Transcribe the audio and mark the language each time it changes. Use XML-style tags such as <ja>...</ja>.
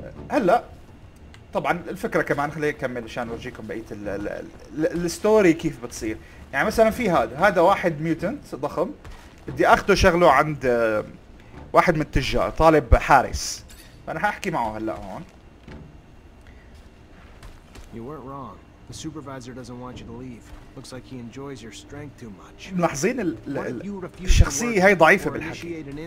<ar>هلا طبعا الفكره كمان، خليني اكمل عشان اورجيكم بقيه الستوري كيف بتصير. يعني مثلا في هذا واحد ميوتنت ضخم، بدي اخده شغله عند واحد من التجار، طالب حارس، فانا هحكي معه هلا هون.</ar> <en>You weren't wrong. The supervisor doesn't want you to leave. Looks like he enjoys your strength too much.</en> <ar>ملاحظين الشخصية هاي ضعيفة بالحكي.</ar>